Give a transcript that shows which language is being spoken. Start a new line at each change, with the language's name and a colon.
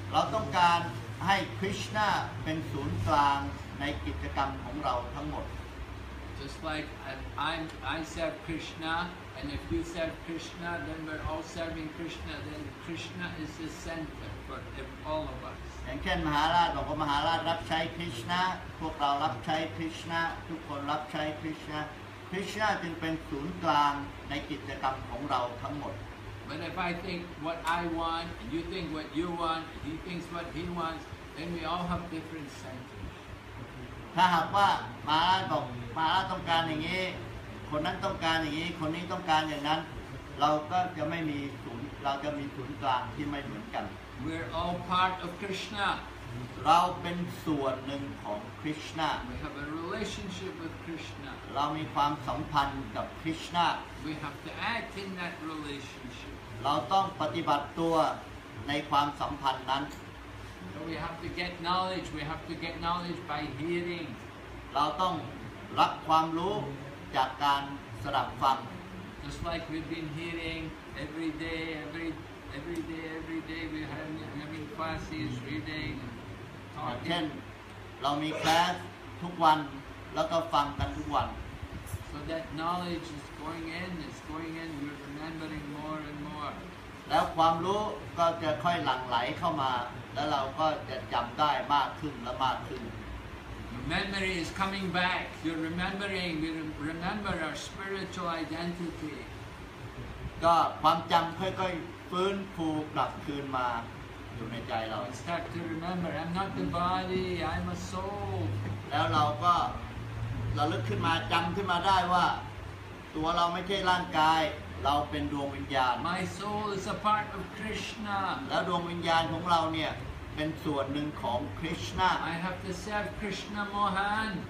Thai: เราต้องการให้ Krishna เป็นศูนย์กลางในกิจกรรมของเราทั้งหมด
English: Just like I serve KrishnaAnd if we serve Krishna, then we're all serving Krishna. Then Krishna is the center for all of us.
Thai: อย่างเช่นมหาราชบอกว่ามหาราชรับใช้คริชนาพวกเรารับใช้คริชนาทุกคนรับใช้คริชนาคริชนาจึงเป็นศูนย์กลางในกิจกรรมของเราทั้งหมด
English: But if I think what I want, and you think what you want, and he thinks what he wants, then we all have different centers.
Thai: ถ้าหากว่ามหาราชบอกมหาราชต้องการอย่างนี้คนนั้นต้องการอย่างนี้คนนี้ต้องการอย่างนั้นเราก็จะไม่มีศูนย์เราจะมีศูนย์กลางที่ไม่เหมือนกัน
English: We're all part of Krishna
Thai: เราเป็นส่วนหนึ่งของคริชนา
English: We have a relationship with Krishna.
Thai: เรามีความสัมพันธ์กับคริชนา
English: We have to act in that relationship.
Thai: เราต้องปฏิบัติตัวในความสัมพันธ์นั้น
English: So we have to get knowledge. We have to get knowledge by hearing.
Thai: เราต้องรับความรู้จากการสดับฟัง
English: Just like we've been hearing every day, every day. We're having classes, reading.
Thai: เช่นเรามีแคลสทุกวันแล้วก็ฟังกันทุกวัน
English: so that knowledge is going in you're remembering more and more
Thai: แล้วความรู้ก็จะค่อยหลั่งไหลเข้ามาแล้วเราก็จะจำได้มากขึ้นและมากขึ้น
English: your memory is coming back you're remembering we remember our spiritual identity
Thai: ก็ความจำค่อยๆฟื้นฟูกลับคืนมาอยู่ในใจเรา
English: I start to remember I'm not the body I'm a soul
Thai: แล้วเราก็ระลึกขึ้นมาจำขึ้นมาได้ว่าตัวเราไม่ใช่ร่างกายเราเป็นดวงวิญญาณ
English: My soul is a part of Krishna
Thai: แล้วดวงวิญญาณของเราเนี่ยเป็นส่วนหนึ่งของ Krishna
English: I have to serve Krishna Mohan